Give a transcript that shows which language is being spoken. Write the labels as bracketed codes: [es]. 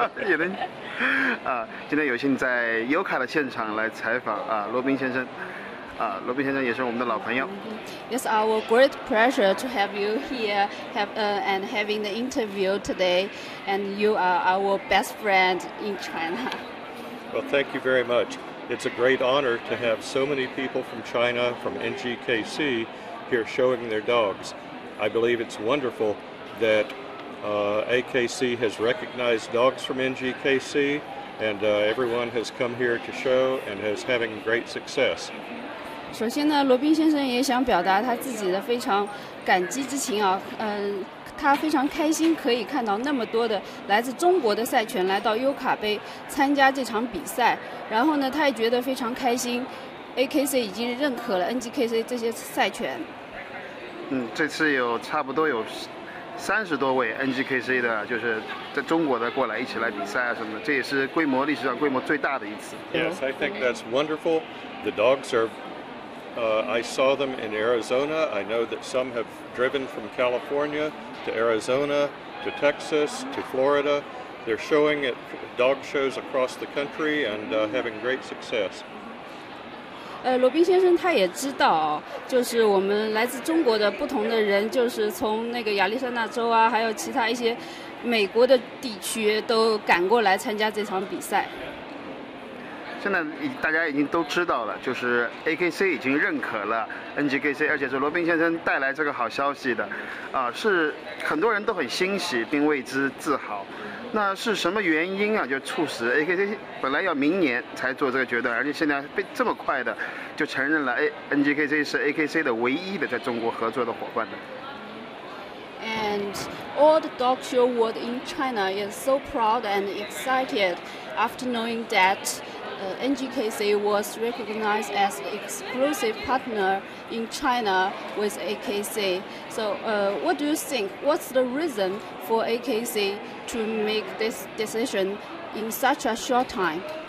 [zh] 也能啊，今天有幸在优卡的现场来采访啊，罗宾先生。罗宾先生也是我们的老朋友。 [en] It's our great pleasure to have you here, and having the interview today. And you are our best friend in China. Well, thank you very much. It's a great honor to have so many people from China, from NGKC, here showing their dogs. I believe it's wonderful that AKC has recognized dogs from NGKC, and everyone has come here to show and is having great success. [zh] 首先呢，罗宾先生也想表达他自己的非常感激之情啊，他非常开心可以看到那么多的来自中国的赛犬来到优卡杯参加这场比赛，然后呢，他也觉得非常开心 ，AKC 已经认可了 NGKC 这些赛犬。嗯，这次有差不多有30多位 NGKC 的，就是在中国的过来一起来比赛啊什么的，这也是规模历史上规模最大的一次。 [en] Yes, I think that's wonderful. The dogs are. I saw them in Arizona. I know that some have driven from California to Arizona, to Texas, to Florida. They're showing at dog shows across the country and having great success. [zh] 罗宾先生他也知道，就是我们来自中国的不同的人，就是从那个亚利桑那州啊，还有其他一些美国的地区都赶过来参加这场比赛。现在大家已经都知道了，就是 AKC 已经认可了 NGKC， 而且是罗宾先生带来这个好消息的，是很多人都很欣喜并为之自豪。那是什么原因啊？就促使 AKC 本来要明年才做这个决断，而且现在被这么快的就承认了 NGKC 是 AKC 的唯一的在中国合作的伙伴呢？ [en] And all the dog show world in China is so proud and excited after knowing that NGKC was recognized as the exclusive partner in China with AKC. So what do you think? What's the reason for AKC to make this decision in such a short time?